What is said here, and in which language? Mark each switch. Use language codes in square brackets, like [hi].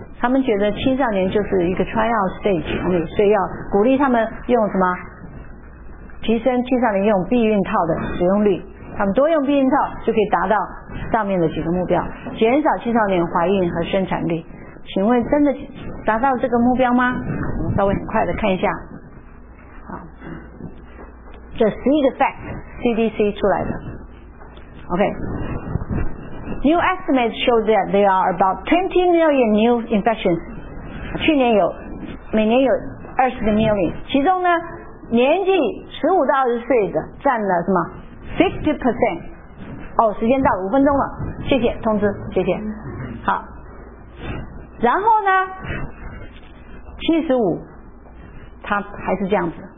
[zh] 他们觉得青少年就是一个 trial stage，所以要鼓励他们用什么提升青少年用避孕套的使用率，他们多用避孕套就可以达到上面的几个目标，减少青少年怀孕和生产率。请问真的达到这个目标吗？我们稍微很快的看一下。好，这十一个 fact CDC 出来的。 [en] OK，New estimates show that there are about 20 million new infections. [zh] 去年有每年有 20 million，其中呢年纪15到20岁的占了什么 50%。哦，时间到了，5分钟了，谢谢通知，谢谢。好，然后呢75他还是这样子。